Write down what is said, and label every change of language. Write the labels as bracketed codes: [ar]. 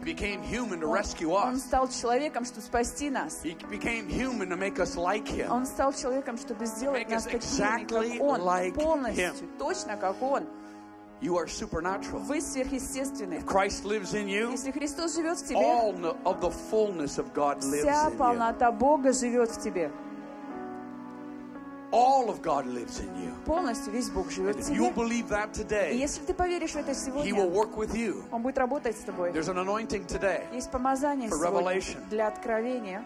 [en] He became human to rescue us. [ru] Он стал человеком, чтобы спасти нас. [en] He became human to make us like him. [ru] Он стал человеком, чтобы сделать нас такими, [en] exactly [ru] как он, [en] like [ru] полностью, [en] him. [ru] Точно как он. [en] You are supernatural. [ru] Вы сверхъестественны. [en] If Christ lives in you, [ru] если Христос живет в тебе, [en] all of the fullness of God lives in you. [ru] Вся полнота Бога живет в тебе. [en] All of God lives in you. [ru] Полностью весь Бог живет в тебе. [en] If you believe that today, [ru] если ты поверишь в это сегодня, [en] He will work with you. [ru] Он будет работать с тобой. [en] There's an anointing today. [ru] Есть помазание [en] for revelation. [ru] Для откровения.